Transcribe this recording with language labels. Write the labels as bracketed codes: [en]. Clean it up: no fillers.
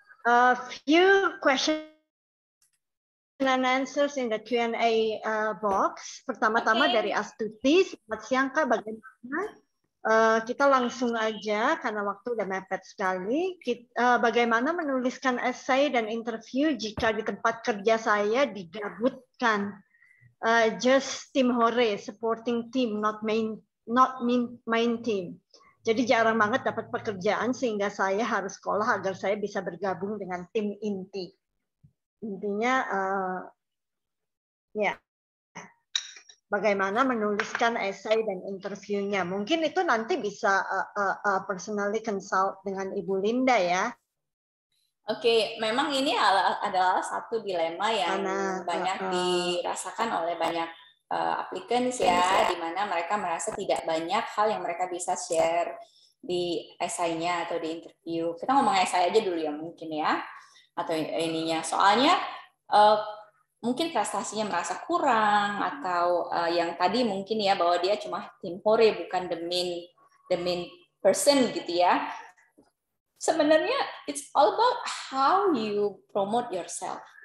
[en] A few questions and answers in the Q&A box. [id] Pertama-tama okay. Dari Astuti, selamat siang Kak, bagaimana? Kita langsung aja, karena waktu udah mepet sekali. Bagaimana menuliskan esai dan interview jika di tempat kerja saya digabutkan? [en] Just team hore, supporting team, not main team. [id] Jadi jarang banget dapat pekerjaan sehingga saya harus sekolah agar saya bisa bergabung dengan tim inti. Intinya, ya. Bagaimana menuliskan esai dan interviewnya? Mungkin itu nanti bisa personally consult dengan Ibu Linda ya. Oke, memang ini adalah satu dilema yang banyak dirasakan oleh banyak applicants ya, di mana mereka merasa tidak banyak hal yang mereka bisa share di esainya atau di interview. Kita ngomong esai aja dulu ya mungkin ya, atau ininya. Soalnya mungkin prestasinya merasa kurang, atau yang tadi mungkin ya, bahwa dia cuma tim hore, bukan [en] the main person [id] gitu ya. Sebenarnya, [en] it's all about how you promote yourself.